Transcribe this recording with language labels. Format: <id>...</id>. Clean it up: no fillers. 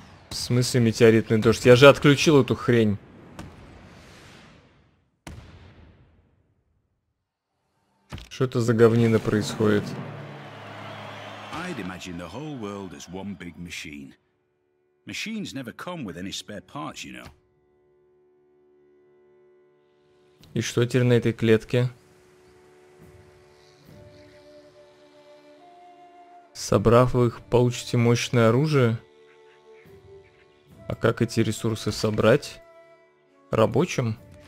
<ru>В смысле метеоритный дождь? Я же отключил эту хрень. Что это за говнина происходит?</ru> <en>I'd imagine the whole world as one big machine. Machines never come with any spare parts, you know.</en> <ru>И что теперь на этой клетке? Собрав их, получите мощное оружие. А как эти ресурсы собрать? Рабочим?</ru>